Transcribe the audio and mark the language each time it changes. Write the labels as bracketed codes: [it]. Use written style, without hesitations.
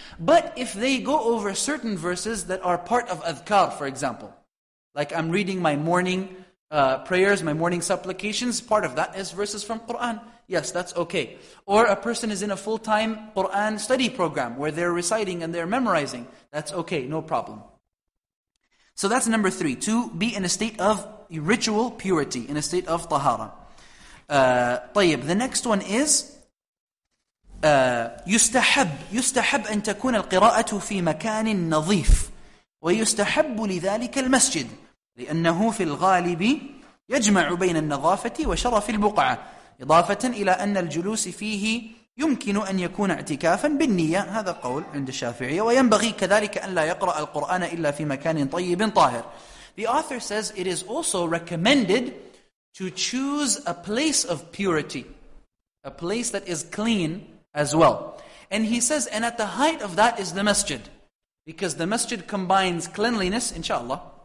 [en] But if they go over certain verses that are part of adhkar, for example, like I'm reading my morning prayers, my morning supplications, part of that is verses from Quran. Yes, that's okay. Or a person is in a full-time Quran study program where they're reciting and they're memorizing. That's okay, no problem. So that's number three, to be in a state of ritual purity, in a state of tahara. [ar] طيب, [en] the next one is [ar] يستحب أن تكون القراءة في مكان نظيف ويستحب لذلك المسجد لأنه في الغالب يجمع بين النظافة وشرف البقعة إضافة إلى أن الجلوس فيه يمكن أن يكون اعتكافا بالنية. هذا قول عند الشافعية. وينبغي كذلك أن لا يقرأ القرآن إلا في مكان طيب طاهر. [en] The author says it is also recommended to choose a place of purity, a place that is clean as well. And he says, and at the height of that is the masjid, because the masjid combines cleanliness, inshallah.